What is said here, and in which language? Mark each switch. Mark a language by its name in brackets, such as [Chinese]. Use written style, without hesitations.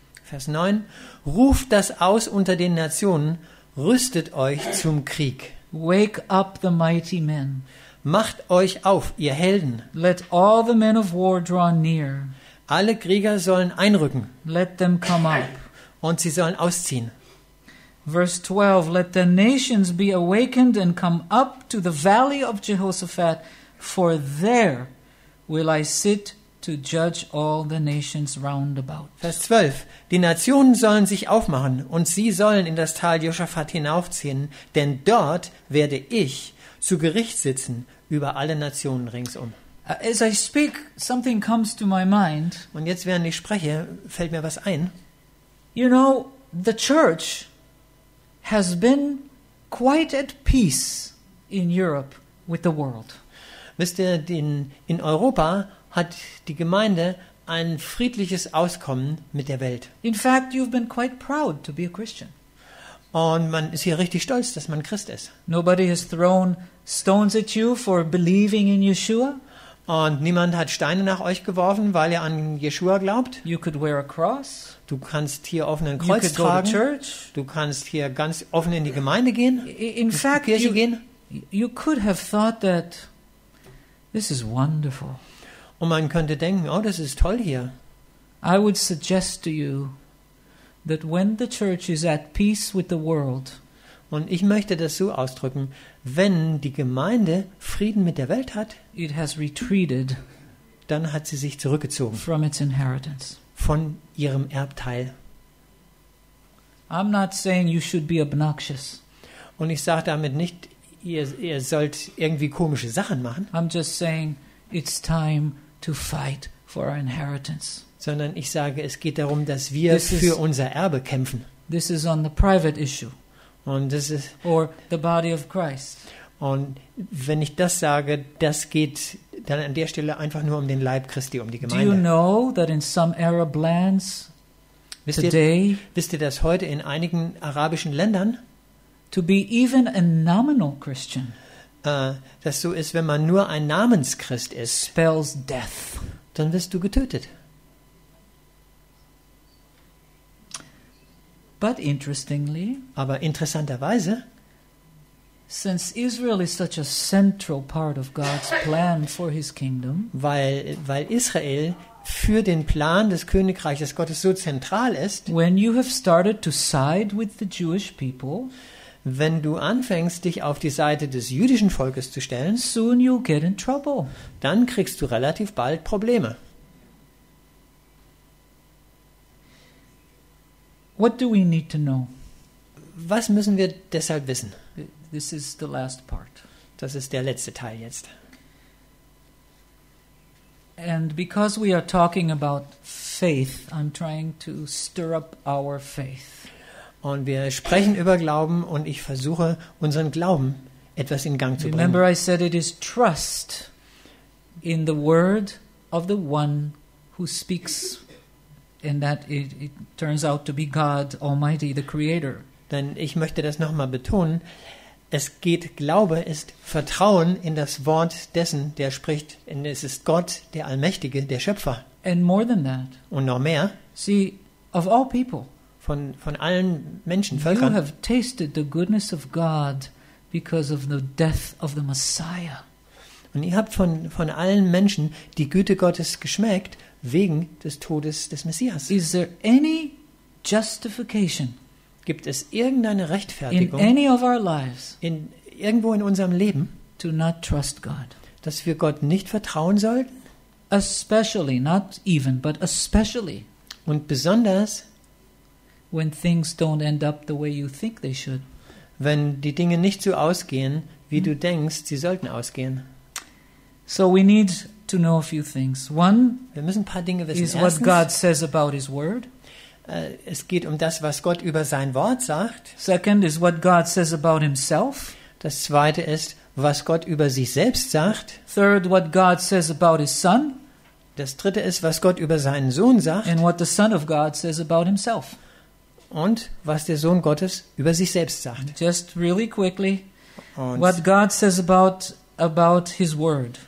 [German] Vers 9, ruft das aus unter den Nationen, rüstet euch zum Krieg. [English] Wake up the mighty men. [German] Macht euch auf, ihr Helden. [English] Let all the men of war draw near. [German] Alle Krieger sollen einrücken. [English] Let them come up. [German] Und sie sollen ausziehen. [English] Verse 12, let the nations be awakened and come up to the valley of Jehoshaphat, for there will I sit to judge all the nations round about. [German] Vers 12, die Nationen sollen sich aufmachen und sie sollen in das Tal Jehoshaphat hinaufziehen, denn dort werde ich zu Gericht sitzen über alle Nationen ringsum. [English] As I speak, something comes to my mind. [German] Und jetzt, während ich spreche, fällt mir was ein. [English] You know, the church has been quite at peace in Europe with the world. [German] Wisst ihr, in Europa hat die Gemeinde ein friedliches Auskommen mit der Welt. [English] In fact, you've been quite proud to be a Christian. [German] Und man ist hier richtig stolz, dass man Christ ist. [English] Nobody has thrown stones at you for believing in Yeshua. [German] Und niemand hat Steine nach euch geworfen, weil ihr an Yeshua glaubt. [English] You could wear a cross. [German] Du kannst hier offen ein Kreuz tragen. Du kannst hier ganz offen in die Gemeinde gehen. [English] In fact, you could have thought that this is wonderful. [German] Und man könnte denken, oh, das ist toll hier. [English] I would suggest to you that when the church is at peace with the world. [German] Und ich möchte das so ausdrücken, wenn die Gemeinde Frieden mit der Welt hat, [English] it has retreated, [German] dann hat sie sich zurückgezogen [English] from its inheritance. [German] Von ihrem Erbteil. [English] I'm not saying you should be obnoxious. [German] Und ich sage damit nicht, ihr sollt irgendwie komische Sachen machen. [English] I'm just saying it's time to fight for our inheritance. [German] Sondern ich sage, es geht darum, dass wir für unser Erbe kämpfen. [English] This is on the private issue. [German] Und das ist, [English] or the body of Christ. [German] Und wenn ich das sage, das geht dann an der Stelle einfach nur um den Leib Christi, um die Gemeinde. [English] Do you know that in some Arab lands today, [German] wisst ihr das heute in einigen arabischen Ländern, [English] to be even a nominal Christian, [German] dass so ist, wenn man nur ein Namenschrist ist, [English] spells death. [German] Dann wirst du getötet. [English] But interestingly, [German] aber interessanterweise, [English] Since Israel is such a central part of God's plan for his kingdom, [German] weil Israel für den Plan des Königreiches Gottes so zentral ist, [English] when you have started to side with the Jewish people, [German] wenn du anfängst, dich auf die Seite des jüdischen Volkes zu stellen, [English] soon you'll get in trouble. [German] Dann kriegst du relativ bald Probleme. [English] What do we need to know? [German] Was müssen wir deshalb wissen? [English] This is the last part. [German] Das ist der letzte Teil jetzt. [English] And because we are talking about faith, I'm trying to stir up our faith. [German] Und wir sprechen über Glauben und ich versuche, unseren Glauben etwas in Gang zu bringen. [English] Remember, I said it is trust in the word of the one who speaks, and that it turns out to be God Almighty, the Creator. [German] Denn ich möchte das nochmal betonen, es geht, Glaube ist Vertrauen in das Wort dessen, der spricht, und es ist Gott, der Allmächtige, der Schöpfer. [English] And more than that, [German] und noch mehr, [English] see, of all people, [German] von allen Menschen, Völkern, [English] you have tasted the goodness of God because of the death of the Messiah. [German] Und ihr habt von allen Menschen die Güte Gottes geschmeckt wegen des Todes des Messias. [English] Is there any justification? [German] Gibt es irgendeine Rechtfertigung [English] in any of our lives, [German] in irgendwo in unserem Leben, [English] to not trust God, [German] dass wir Gott nicht vertrauen sollten? [English] Especially, not even, but especially, [German] und besonders, [English] when things don't end up the way you think they should, [German] wenn die Dinge nicht so ausgehen, wie du denkst, sie sollten ausgehen. [English] So we need to know a few things. One, [German] wir müssen ein paar Dinge wissen. [English] Is what God says about his word. [German] Es geht um das, was Gott über sein Wort sagt. [English] Second is what God says about himself. [German] Das zweite ist, was Gott über sich selbst sagt. [English] Third, what God says about his son. [German] Das dritte ist, was Gott über seinen Sohn sagt. [English] And what the son of God says about himself. [German] Und was der Sohn Gottes über sich selbst sagt. [English] Just really quickly, what God says about his word.